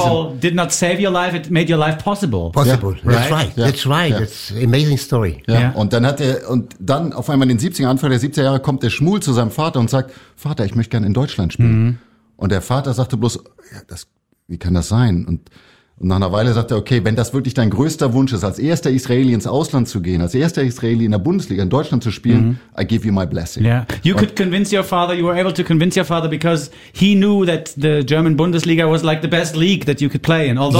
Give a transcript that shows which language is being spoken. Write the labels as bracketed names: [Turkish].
[English] Football did not save your life, it made your life possible. Possible. Yeah. Right? That's right. Yeah. That's right. Yeah. That's an amazing story. Yeah. Yeah. [German] Und dann dann auf einmal in den 70er, Anfang der 70er Jahre, kommt der Shmuel zu seinem Vater und sagt, Vater, ich möchte gerne in Deutschland spielen. Mm-hmm. Und der Vater sagte bloß, wie kann das sein? Und nach einer Weile sagte er, okay, wenn das wirklich dein größter Wunsch ist, als erster Israeli ins Ausland zu gehen, als erster Israeli in der Bundesliga in Deutschland zu spielen, mm-hmm. [English] I give you my blessing. Yeah. You were able to convince your father because he knew that the German Bundesliga was like the best league that you could play in. Although